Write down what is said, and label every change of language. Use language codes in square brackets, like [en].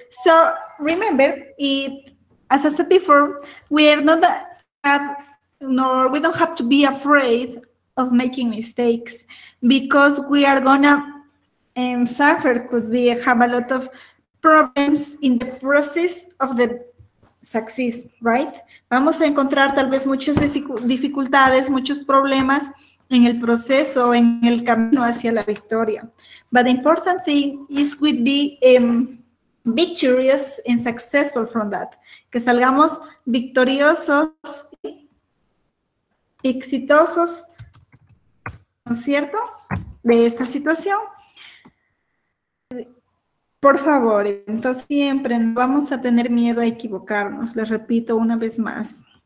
[en] So remember, as I said before, we don't have to be afraid of making mistakes, because we are gonna suffer. Could be have a lot of problems in the process of the success, right? [es] Vamos a encontrar tal vez muchas dificultades, muchos problemas en el proceso, en el camino hacia la victoria. [en] But the important thing is we'd be victorious and successful from that. [es] Que salgamos victoriosos, exitosos, ¿no es cierto?, de esta situación. Por favor, entonces siempre no vamos a tener miedo a equivocarnos, les repito una vez más.